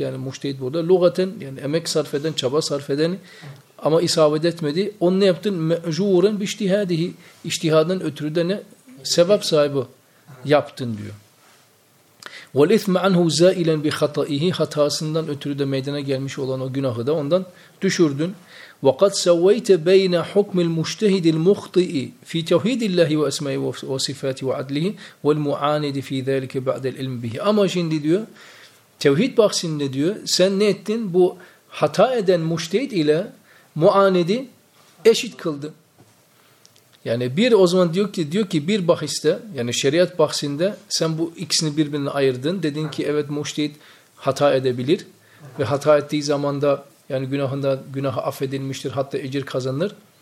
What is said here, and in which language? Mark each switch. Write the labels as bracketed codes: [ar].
[tr] Yani müştehit burada lügaten, yani emek sarf eden, çaba sarf eden ama isabet etmedi. Onu ne yaptın? [ar] مَجُورًا بِشْتِهَادِهِ [tr] İçtihadın ötürü de ne? Sevap sahibi yaptın diyor. [ar] وَالْاِثْمَ عَنْهُ زَائِلًا بِخَطَئِهِ [tr] Hatasından ötürü de meydana gelmiş olan o günahı da ondan düşürdün. [ar] وَقَدْ سَوَّيْتَ بَيْنَ حُكْمِ الْمُجْتَهِدِ الْمُخْطِئِ فِي تَوْحِيدِ اللّٰهِ وَاَسْمَيْهِ وَصِفَاتِ وَعَدْلِهِ وَالْمُعَانِدِ فِي ذَٰلِكَ بَعْدَ الْاِلْمِ بِهِ [tr] Ama şimdi diyor, tevhid bahsinde diyor, sen ne ettin? Bu hata eden müjtehid ile muanidi eşit kıldı. Yani bir o zaman diyor ki bir bahiste, yani şeriat bahsinde sen bu ikisini birbirine ayırdın. Dedin ki evet müjtehid hata edebilir ve hata ettiği zamanda yani günahında günahı affedilmiştir, hatta ecir kazanır.